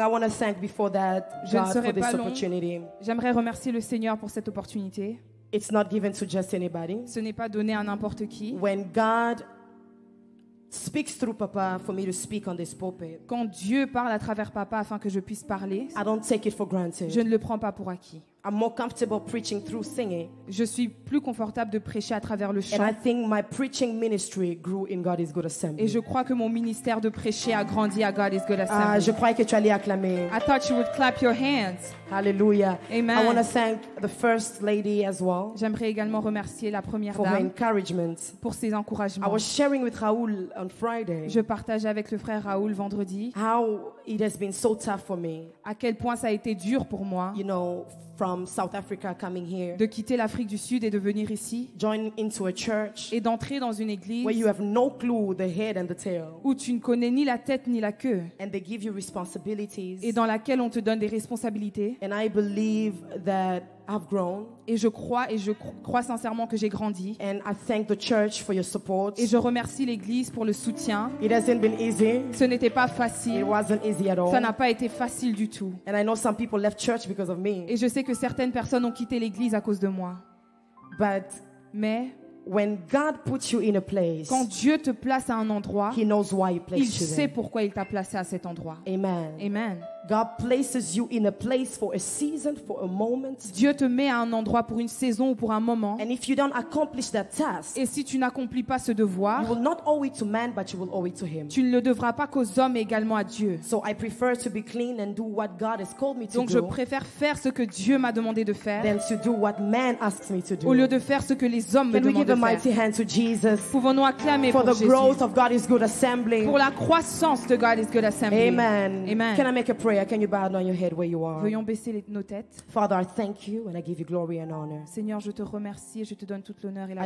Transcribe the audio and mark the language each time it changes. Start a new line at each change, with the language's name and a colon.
English: I want to thank before that God for this long. Opportunity.
French: J'aimerais remercier le Seigneur pour cette opportunité.
English: It's not given to just anybody.
French: Ce n'est pas donné à n'importe qui.
English: When God speaks through Papa for me to speak on this pulpit.
French: Quand Dieu parle à travers Papa afin que je puisse parler.
English: I don't take it for granted.
French: Je ne le prends pas pour acquis.
English: I'm more comfortable preaching through singing.
French: Je suis plus confortable de prêcher à travers le chant.
English: And I think my preaching ministry grew in God is Good Assembly.
French: Et je crois que mon ministère de prêcher a grandi à God is Good Assembly. Je croyais que tu allais acclamer.
English: I thought you would clap your hands. Hallelujah. Amen. I want to thank the first lady as well.
French: J'aimerais également remercier la première
English: for
French: dame
English: her encouragement.
French: Pour ses encouragements.
English: I was sharing with Raoul on Friday.
French: Je partageais avec le frère Raoul vendredi.
English: How it has been so tough for me.
French: À quel point ça a été dur pour moi.
English: You know, from South Africa coming here.
French: De quitter l'Afrique du Sud et de venir ici.
English: Join into a church.
French: Et d'entrer dans une église.
English: Where you have no clue the head and the tail.
French: Où tu ne connais ni la tête ni la queue.
English: And they give you responsibilities.
French: Et dans laquelle on te donne des responsabilités.
English: And I believe that I've grown.
French: Et je crois et je crois sincèrement que j'ai grandi.
English: And I thank the church for your support.
French: Et je remercie l'église pour le soutien.
English: It hasn't been easy.
French: Ce n'était pas facile.
English: It wasn't easy at all.
French: Ça n'a pas été facile du tout.
English: And I know some people left church because of me.
French: Et je sais que certaines personnes ont quitté l'église à cause de moi.
English: But
French: mais
English: when God puts you in a place,
French: quand Dieu te place à un endroit,
English: He knows why He places
French: il sait you pourquoi il t'a placé à cet endroit.
English: Amen. Amen. God places you in a place for a season, for a moment.
French: Dieu te met à un endroit pour une saison ou pour un moment.
English: And if you don't accomplish that task,
French: et si tu n'accomplis pas ce devoir,
English: you will not owe it to man, but you will owe it to Him.
French: Tu ne le devras pas qu'aux hommes et également à Dieu.
English: So I prefer to be clean and do what God has called me to do.
French: Donc je préfère faire ce que Dieu m'a demandé de faire,
English: than to do what man asks me to do.
French: Au lieu de faire ce que les hommes me demandent de faire.
English: Can we give a mighty hand to Jesus?
French: Pouvons-nous acclamer
English: for the
French: Jésus
English: growth of God is Good Assembly?
French: Pour la croissance de God is Good Assembly.
English: Amen. Amen. Can I make a prayer? Can you bow down your head where you are?
French: Veuillons baisser nos têtes.
English: Father, I thank you and I give you glory and honor.
French: Seigneur, je te remercie et je te donne toute l'honneur et la